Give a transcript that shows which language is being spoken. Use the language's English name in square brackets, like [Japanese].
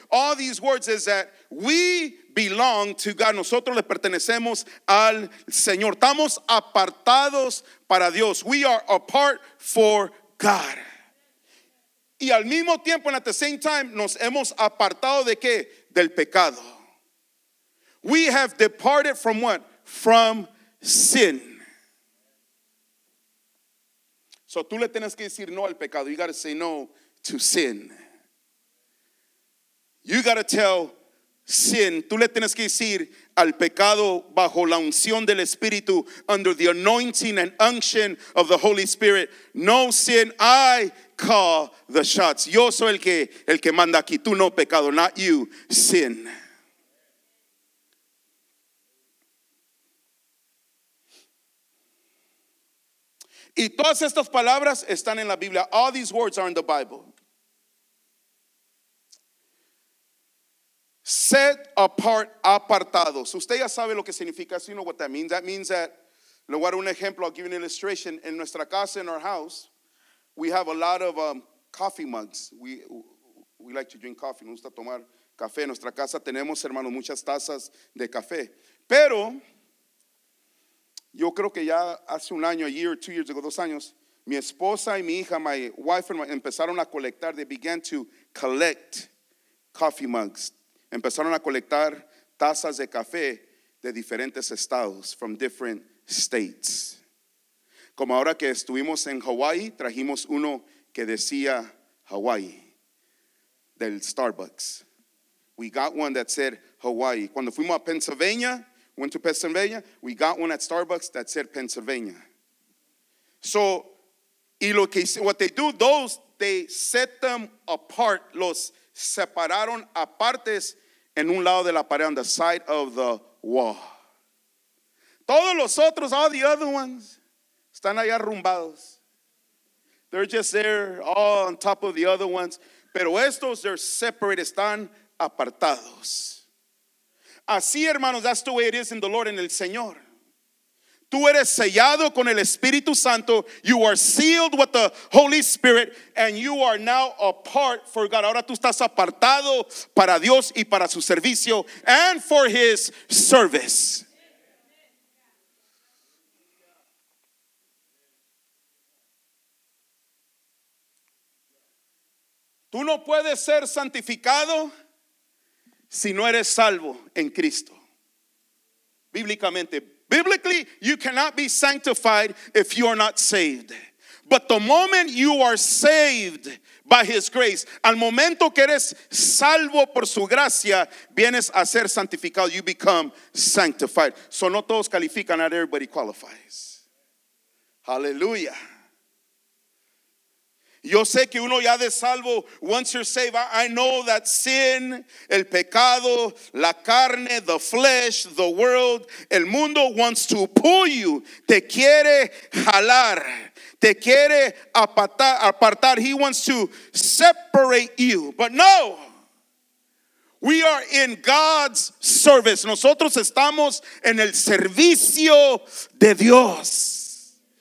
[English] All these words is that we belong to God. [Spanish] Nosotros le pertenecemos al Señor. Estamos apartados para Dios. [English] We are apart for God. [Spanish] Y al mismo tiempo, [English] and at the same time, [Spanish] nos hemos apartado de qué? Del pecado. [English] We have departed from what? From sin. [Spanish] So tú le tienes que decir no al pecado. [English] You got to say no to sin. You got to tell sin. [Spanish] Tú le tienes que decir al pecado bajo la unción del Espíritu, [English] under the anointing and unction of the Holy Spirit. No sin, I call the shots. [Spanish] Yo soy el que manda aquí. Tú no, pecado, [English] not you, sin. [Spanish] Y todas estas palabras están en la Biblia. [English] All these words are in the Bible. Set apart, apartados. [Spanish] Usted ya sabe lo que significa. [English] So you know what that means. That means that, [Spanish] le voy a dar un ejemplo, [English] I'll give you an illustration. [Spanish] En nuestra casa, [English] in our house, we have a lot of coffee mugs. We like to drink coffee. [Spanish] Nos gusta tomar café. En nuestra casa tenemos, hermano, muchas tazas de café. Pero yo creo que ya hace un año, [English] a year, 2 years ago, [Spanish] 2 años, mi esposa y mi hija, [English] my wife and my, [Spanish] empezaron a colectar. [English] They began to collect coffee mugs. [Spanish] Empezaron a colectar tazas de café de diferentes estados, [English] from different states. [Spanish] Como ahora que estuvimos en Hawaii, trajimos uno que decía Hawaii, del Starbucks. [English] We got one that said Hawaii. [Spanish] Cuando fuimos a Pennsylvania, [English] went to Pennsylvania, we got one at Starbucks that said Pennsylvania. So, [Spanish] y lo que, [English] what they do, those, they set them apart, [Spanish] los separaron a partes en un lado de la pared, [English] on the side of the wall. [Spanish] Todos los otros, [English] all the other ones, [Spanish] están allá arrumbados. [English] They're just there, all on top of the other ones. [Spanish] Pero estos, [English] they're separate, [Spanish] están apartados. Así, hermanos, [English] that's the way it is in the Lord, [Spanish] en el Señor. Tú eres sellado con el Espíritu Santo. [English] You are sealed with the Holy Spirit. And you are now apart for God. [Spanish] Ahora tú estás apartado para Dios y para su servicio. [English] And for his service. [Spanish] Tú no puedes ser santificado si no eres salvo en Cristo. Bíblicamente. [English] Biblically, you cannot be sanctified if you are not saved. But the moment you are saved by his grace, [Spanish] al momento que eres salvo por su gracia, vienes a ser santificado, [English] you become sanctified. [Spanish] So no todos califican, [English] not everybody qualifies. [Spanish] Hallelujah. Yo sé que uno ya de salvo, [English] once you're saved, I know that sin, [Spanish] el pecado, la carne, [English] the flesh, the world, [Spanish] el mundo [English] wants to pull you, [Spanish] te quiere jalar, te quiere apartar, [English] he wants to separate you. But no, we are in God's service. [Spanish] Nosotros estamos en el servicio de Dios.